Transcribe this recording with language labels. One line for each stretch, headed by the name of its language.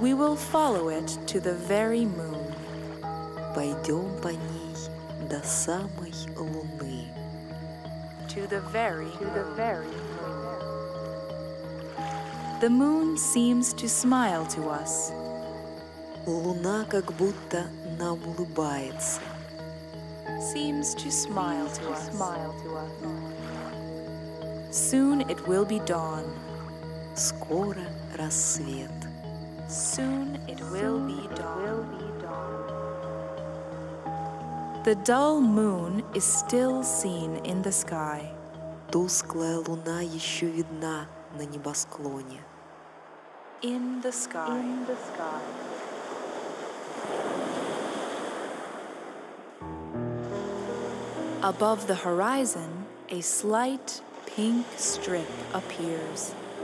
English: We will follow it to the very moon.
Russian: Пойдем по ней до самой луны.
English: To the very moon. To the very moon. The moon seems to smile to us.
Russian: Луна как будто нам улыбается.
English: Seems to smile to us. Smile to us. Soon it will be dawn.
Russian: Скоро рассвет.
English: Soon it will be dawn. It will be dawn. The dull moon is still seen in the sky.
Russian: Тусклая луна еще видна на небосклоне.
English: In the sky. In the sky. Above the horizon, a slight pink strip appears.